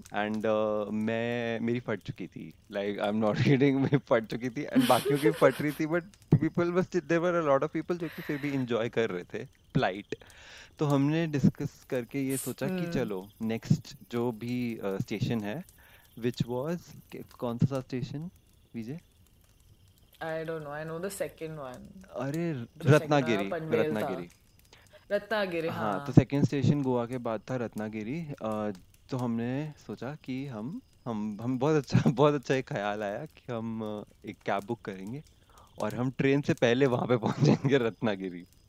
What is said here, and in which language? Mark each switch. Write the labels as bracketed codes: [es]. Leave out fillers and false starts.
[hi] And मेरी फट चुकी थी, [en] like I am not reading, [hi] मैं फट चुकी थी एंड बाकियों की फट रही थी. [en] but people was there were a lot of people [hi] जो कि फिर भी इंजॉय कर रहे थे फ्लाइट. तो हमने डिस्कस करके ये सोचा कि चलो नेक्स्ट जो भी स्टेशन है, [en] which was [hi] कौन सा station Vijay? [en] I don't know. I know the second one. [hi] अरे रत्नागिरी, रत्नागिरी, रत्नागिरी. हाँ तो second station गोवा के बाद था रत्नागिरी. तो हमने सोचा कि हम बहुत अच्छा एक ख्याल आया कि हम एक कैब बुक करेंगे और हम ट्रेन से पहले वहाँ पे पहुँचेंगे रत्नागिरी.